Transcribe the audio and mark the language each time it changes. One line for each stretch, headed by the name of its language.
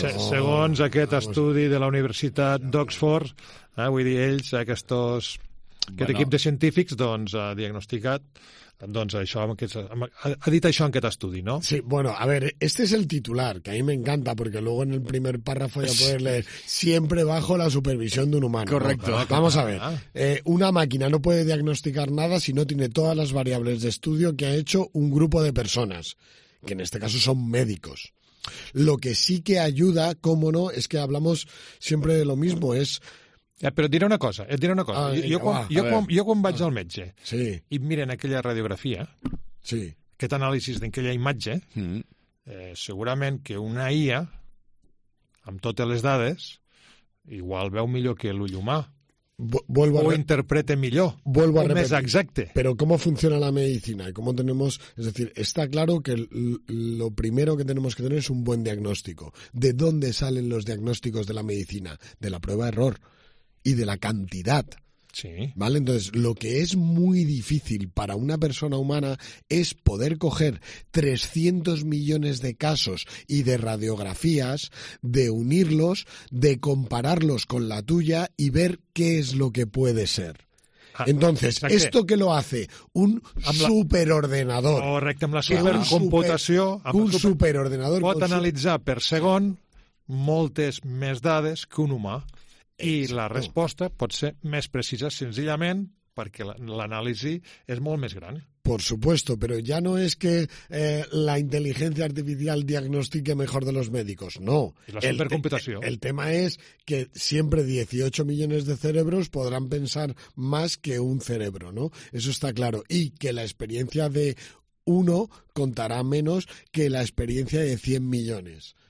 Catalan: Segons aquest estudi de la Universitat d'Oxford, vull dir, ells, aquests... Aquest equip de científics, doncs, ha diagnosticat, doncs, això, ha dit això en aquest estudi, no?
Spanish: Sí, bueno, a ver, este es el titular, que a mí me encanta, porque luego en el primer párrafo ya poder leer, siempre bajo la supervisión de un humano. Correcto. ¿No? Vamos a ver, una máquina no puede diagnosticar nada si no tiene todas las variables de estudio que ha hecho un grupo de personas, que en este caso son médicos. Lo que sí que ayuda, cómo no, es que hablamos siempre de lo mismo, es...
Catalan: Però et diré una cosa, jo quan vaig al metge, sí, i miren aquella radiografia, sí, aquest anàlisi d'aquella imatge, segurament que una IA, amb totes les dades, igual veu millor que l'ull humà, interprete millor, o més exacte. Però com funciona la medicina?
Spanish: Com tenemos, es decir, está claro que lo primero que tenemos que tener es un buen diagnóstico. ¿De dónde salen los diagnósticos de la medicina? De la prueba error. Y de la cantidad. Sí. ¿Vale? Entonces, lo que es muy difícil para una persona humana es poder coger 300 millones de casos y de radiografías, de unirlos, de compararlos con la tuya y ver qué es lo que puede ser. Entonces, exacte. Esto que lo hace un superordenador.
Catalan: Correcte, amb la supercomputació, un superordenador pot analitzar per segon moltes més dades que un humà. I la resposta pot ser més precisa senzillament perquè l'anàlisi és molt més gran.
Spanish: Por supuesto, pero ya no es que la inteligencia artificial diagnostique mejor de los médicos, no. La supercomputación. El tema es que siempre 18 millones de cerebros podrán pensar más que un cerebro, ¿no? Eso está claro. Y que la experiencia de uno contará menos que la experiencia de 100 millones.